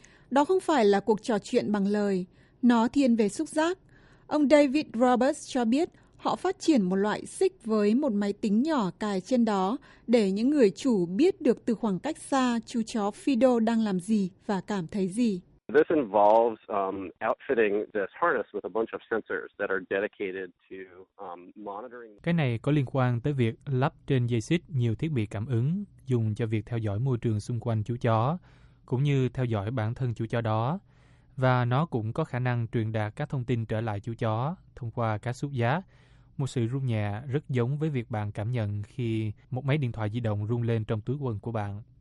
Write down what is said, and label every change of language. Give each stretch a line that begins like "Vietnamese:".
Vietnamese: Đó không phải là cuộc trò chuyện bằng lời, nó thiên về xúc giác. Ông David Roberts cho biết họ phát triển một loại xích với một máy tính nhỏ cài trên đó để những người chủ biết được từ khoảng cách xa chú chó Fido đang làm gì và cảm thấy gì.
English: This involves outfitting this harness with a bunch of sensors that are dedicated to monitoring.
Vietnamese: Cái này có liên quan tới việc lắp trên dây xích nhiều thiết bị cảm ứng dùng cho việc theo dõi môi trường xung quanh chú chó cũng như theo dõi bản thân chú chó đó, và nó cũng có khả năng truyền đạt các thông tin trở lại chú chó thông qua các xúc giác, một sự rung nhẹ rất giống với việc bạn cảm nhận khi một máy điện thoại di động rung lên trong túi quần của bạn.